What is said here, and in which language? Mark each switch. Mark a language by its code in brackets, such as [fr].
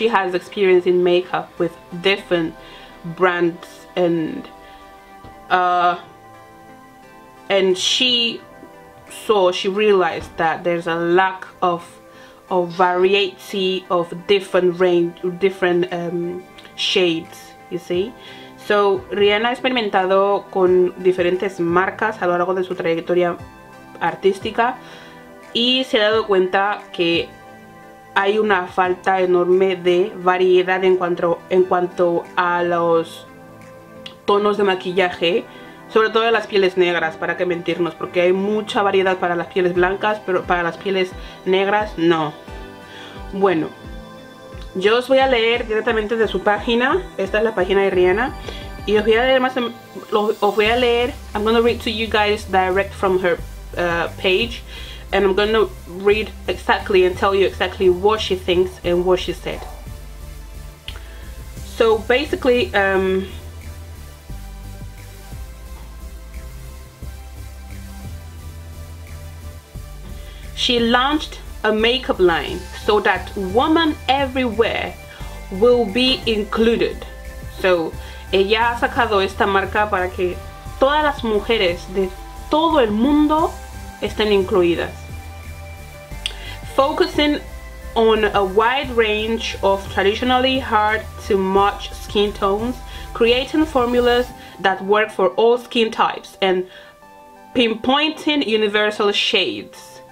[en] She has experience in makeup with different brands, and she realized that there's a lack of variety of different range, different shades. You see. [es] So, Rihanna ha experimentado con diferentes marcas a lo largo de su trayectoria artística y se ha dado cuenta que hay una falta enorme de variedad en cuanto a los tonos de maquillaje, sobre todo en las pieles negras, para qué mentirnos, porque hay mucha variedad para las pieles blancas, pero para las pieles negras no. Bueno, yo os voy a leer directamente de su página. Esta es la página de Rihanna. Y os voy a leer más, [en] I'm going to read to you guys direct from her page, and I'm going to read exactly and tell you exactly what she thinks and what she said. So basically, she launched a makeup line so that women everywhere will be included. [es] So ella ha sacado esta marca para que todas las mujeres de todo el mundo estén incluidas. [en] Focusing on a wide range of traditionally hard to match skin tones, creating formulas that work for all skin types, and pinpointing universal shades.